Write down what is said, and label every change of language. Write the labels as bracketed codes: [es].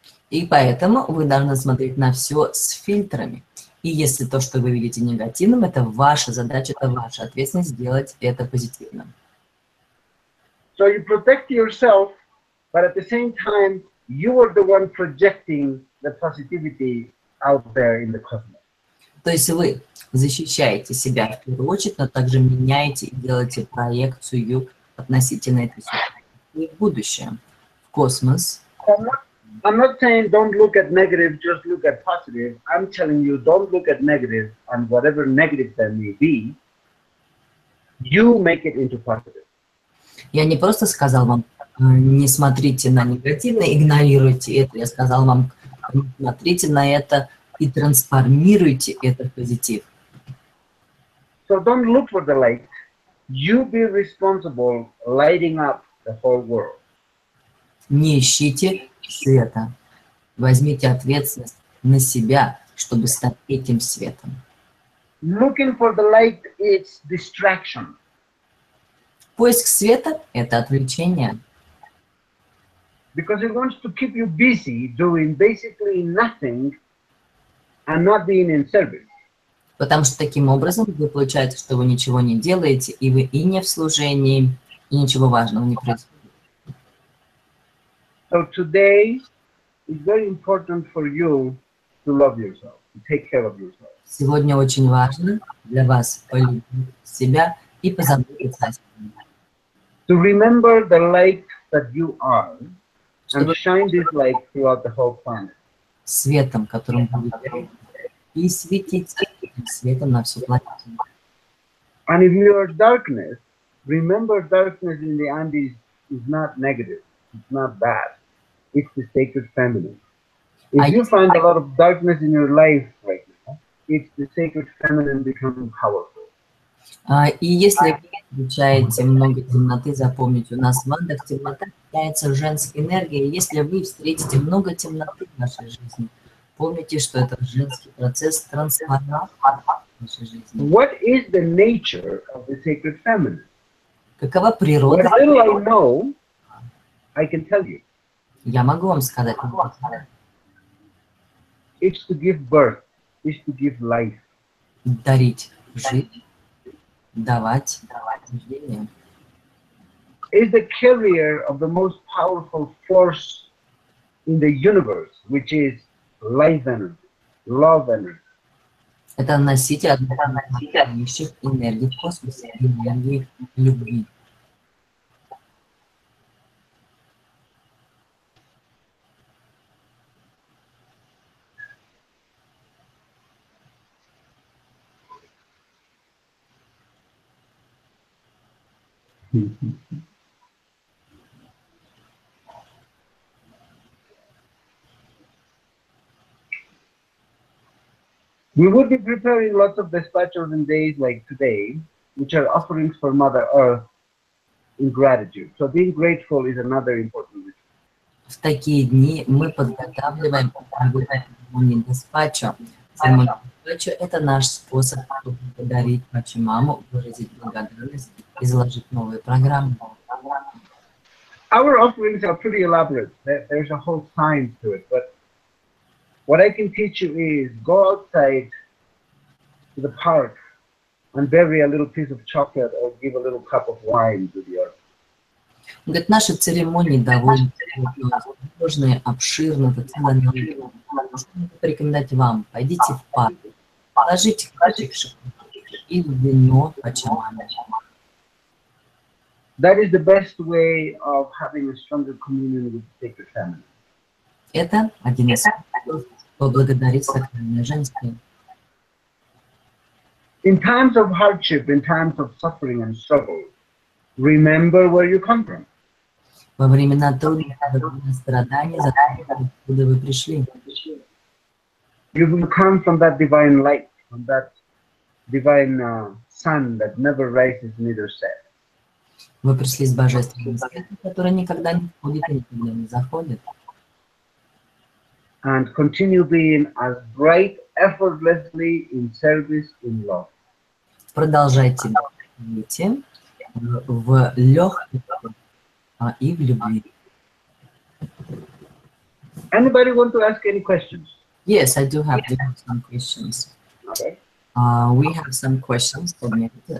[ru] И поэтому вы должны смотреть на все с фильтрами. И если то, что вы видите негативным, это ваша задача, это ваша ответственность сделать это позитивным. [en] So you protect yourself, but at the same time, you are the one projecting the positivity out there in the cosmos. [ru] То есть вы защищаете себя в первую очередь, но также меняете и делаете проекцию относительно этой ситуации в будущее, в космос. [en] I'm not saying don't look at negative, just look at positive. I'm telling you, don't look at negative, and whatever negative there may be, you make it into positive. [ru] Я не просто сказал вам, не смотрите на негативное, игнорируйте это. Я сказал вам, смотрите на это и трансформируйте это в позитив. [en] So don't look for the light. You be responsible lighting up the whole world. [ru] Не ищите света. Возьмите ответственность на себя, чтобы стать этим светом. [en] Looking for the light is distraction. [ru] Поиск света – это отвлечение. [en] Because it wants to keep you busy doing basically nothing and not being in service. [ru] Потому что таким образом вы получаете, что вы ничего не делаете, и вы и не в служении, и ничего важного не происходит. [en] So today is very important for you to love yourself, to take care of yourself. [ru] Сегодня очень важно для вас полюбить себя и позаботиться о себе. [en] To remember the light that you are and shine this light throughout the whole planet. [ru] Светом, которым вы и светите светом на всю планету. [en] And if you are darkness, remember darkness in the Andes is not negative, it's not bad. It's the sacred feminine. If you find a lot of darkness in your life right now, it's the sacred feminine becoming powerful. [ru] И если вы встречаете много темноты, запомните, у нас в мандах темнота является женской энергией. Если вы встретите много темноты в нашей жизни, помните, что это женский процесс трансформации нашей жизни. [en] What is the nature of the sacred feminine? [ru] Какова природа? [en] What little I know, I can tell you. [ru] Я могу вам сказать. [en] It's to give birth, it's to give life. [ru] Дарить жизнь, давать рождение. [en] It's the carrier of the most powerful force in the universe, which is life energy, love energy. [ru] Это носитель наивысших энергий в космосе, энергии любви. [en] We would be preparing lots of dispatches in days like today, which are offerings for Mother Earth in gratitude. So being grateful is another important ritual. [ru] В такие дни мы подготавливаем благодарственные диспатчи. Самое главное – это наш способ поблагодарить Пачамаму, выразить благодарность и заложить новые программы. [en] Our offerings are pretty elaborate. There's a whole science to it. But what I can teach you is go outside to the park and bury a little piece of chocolate or give a little cup of wine to the earth. [ru] Говорит, наши церемонии довольно сложные, обширные, это целое наука. Что могу порекомендовать вам? Пойдите в парк, положите кусочек шоколада и вино Пачамаму. [en] That is the best way of having a stronger communion with the sacred feminine. [ru] Это один из способов поблагодарить сакральное женское. [en] In times of hardship, in times of suffering and struggle, remember where you come from. [ru] Во времена трудных страданий, запомните, откуда вы пришли. [en] You will come from that divine light, from that divine sun that never rises, neither sets. [ru] Вы пришли с божественным светом, который никогда не входит и никогда не заходит. [en] And continue being as bright effortlessly in service in love. [ru] Продолжайте быть в легкости и в любви. [en] Anybody want to ask any questions? Yes, I do have some questions. Okay. We have some questions for me.